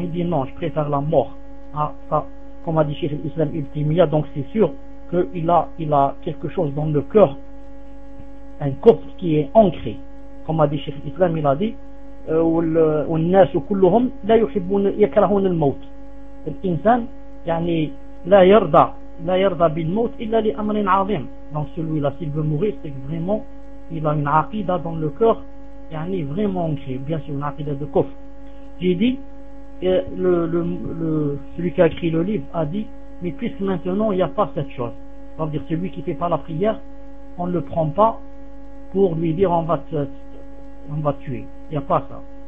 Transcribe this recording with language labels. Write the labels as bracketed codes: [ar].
[fr] Il dit, non, je préfère la mort. Ah, ça, comme a dit Cheikh Islam Ibn Taymiyyah, donc c'est sûr. Il a quelque chose dans le cœur, un corps qui est ancré. Comme a dit Cheikh Islam, il a dit [ar] والناس كلهم لا يحبون يكرهون الموت. L'insan, yani, لا يرضى بالموت إلا لأمر عظيم. [fr] Donc celui-là, s'il veut mourir, c'est que vraiment, il a une aqida dans le cœur, yani, vraiment ancré. Bien sûr, une aqida de kofre. J'ai dit, celui qui a écrit le livre a dit, mais puisque maintenant il n'y a pas cette chose, c'est-à-dire celui qui ne fait pas la prière, on ne le prend pas pour lui dire on va te tuer. Il n'y a pas ça.